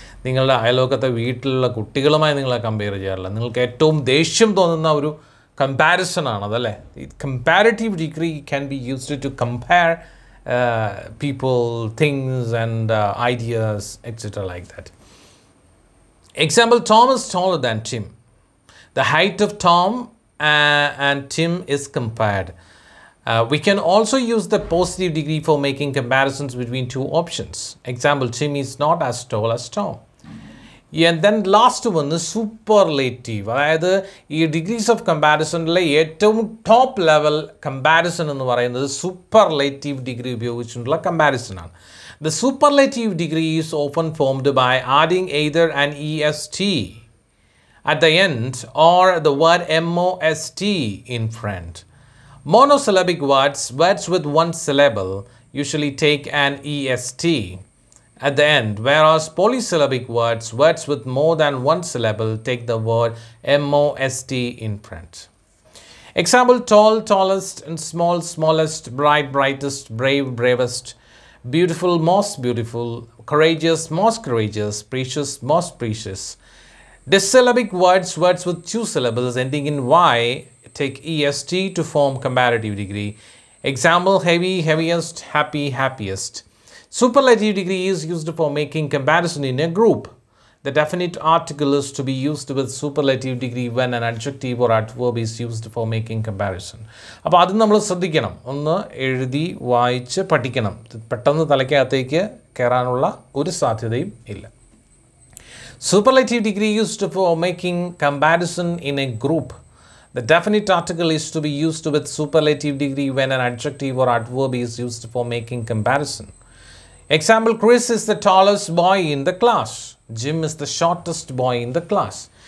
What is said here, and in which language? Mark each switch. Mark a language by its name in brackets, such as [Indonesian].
[Malayalam] നിങ്ങളുടെ അയൽവക്കത്തെ വീട്ടിലുള്ള കുട്ടികളുമായി നിങ്ങളെ കമ്പയർ ചെയ്യാറില്ല. നിങ്ങൾക്ക് ഏറ്റവും ദേഷ്യം തോന്നുന്ന ഒരു കമ്പാരിസണാണതല്ലേ. [English] Comparative degree can be used to compare people, things and ideas etcetera like that. Example, Thomas taller than Tim. The height of Tom and Tim is compared. We can also use the positive degree for making comparisons between two options. Example, Tim is not as tall as Tom. And then last one, the superlative. [Malayalam] അതായത് ഈ degrees of കമ്പാരിസണിലെ ഏറ്റവും top level comparison എന്ന് പറയുന്നത് superlative degree ഉപയോഗിച്ചിട്ടുള്ള comparison ആണ്. [English] The superlative degree is often formed by adding either an EST at the end or the word MOST in front. Monosyllabic words, words with one syllable, usually take an EST at the end, whereas polysyllabic words, words with more than one syllable, take the word MOST in front. Example, tall, tallest, and small, smallest, bright, brightest, brave, bravest, beautiful, most beautiful, courageous, precious, most precious. Dissyllabic words, words with two syllables ending in Y, take EST to form comparative degree. Example, heavy, heaviest, happy, happiest. Superlative degree is used for making comparison in a group. The definite article is to be used with superlative degree when an adjective or adverb is used for making comparison. [Malayalam] അപ്പോൾ അതും നമ്മൾ ശ്രദ്ധിക്കണം, ഒന്ന് എഴുതി വായിച്ച് പഠിക്കണം. പെട്ടെന്ന് തലയ്ക്കകത്തേക്ക് കയറാനുള്ള ഒരു സാധ്യതയും ഇല്ല. [English] Superlative degree used for making comparison in a group. The definite article is to be used with superlative degree when an adjective or adverb is used for making comparison. Example, Chris is the tallest boy in the class. Jim is the shortest boy in the class.